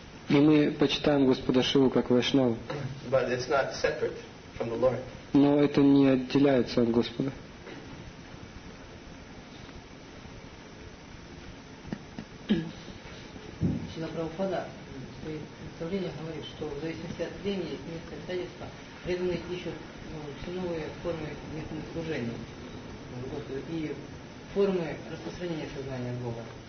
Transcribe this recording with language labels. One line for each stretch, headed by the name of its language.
Russian: И мы почитаем Господа Шиву как Вайшнаву.
English: But it's not separate from the Lord.
Russian: Но это не отделяется от Господа. Шрила Прабхупада в своих представлениях говорит, что в зависимости от времени есть несколько обстоятельств, преданные ищут все новые формы местного служения Господу и формы распространения сознания Бога.